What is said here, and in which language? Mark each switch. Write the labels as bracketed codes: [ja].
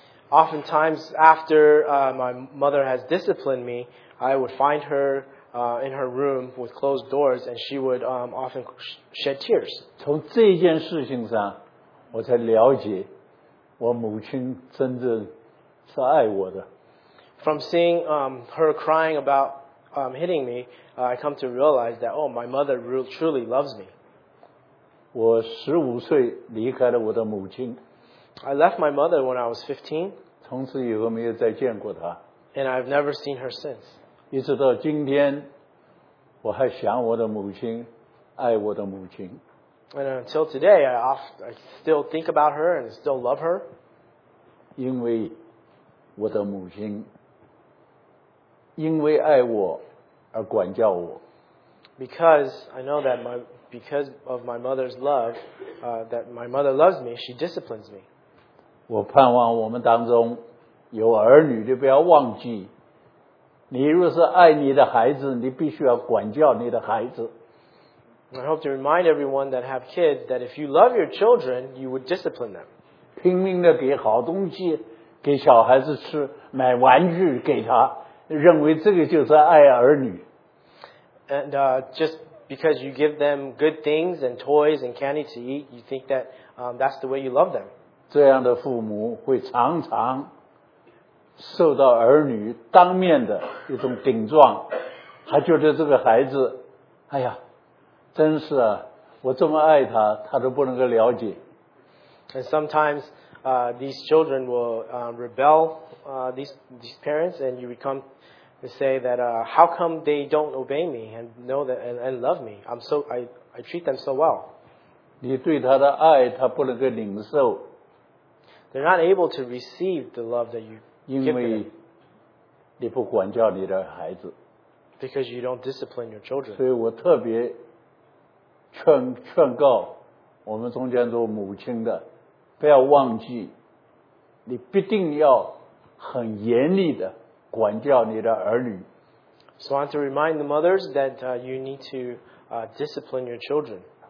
[en] Oftentimes after my mother has disciplined me, I would find her in her room with closed doors, and she would often shed tears. [zh] 从这件事情上，我才了解我母亲真正是爱我的。 [en] From seeing her crying about hitting me, I come to realize that, oh, my mother really truly loves me. [zh] 我十五岁离开了我的母亲。 [en] I left my mother when I was 15. [zh] 从此以后没有再见过她。 [en] And I've never seen her since. [zh] 一直到今天，我还想我的母亲，爱我的母亲。 [en] And until today, I still think about her and still love her. [zh] 因为我的母亲，因为爱我而管教我。 [en] Because I know that because of my mother's love, that my mother loves me, she disciplines me. [zh] 我盼望我们当中有儿女的不要忘记，你若是爱你的孩子，你必须要管教你的孩子。 [en] I hope to remind everyone that have kids that if you love your children, you would discipline them. [zh] 拼命的给好东西给小孩子吃，买玩具给他，认为这个就是爱儿女。 [en] And just because you give them good things and toys and candy to eat, you think that that's the way you love them. [zh] 这样的父母会常常受到儿女当面的一种顶撞，他觉得这个孩子，哎呀，真是啊，我这么爱他，他都不能够了解。 [en] And sometimes these children will rebel, these parents, and you would come to say that, how come they don't obey me and know that and love me? I treat them so well. [zh] 你对他的爱,他不能够领受。 [en] They're not able to receive the love that you give them. [zh] 因为你不管教你的孩子。 [en] Because you don't discipline your children. [zh] 所以我特别劝告我们中间做母亲的, 不要忘记, 你必定要很严厉地管教你的儿女。 [en] So I want to remind the mothers that you need to discipline your children.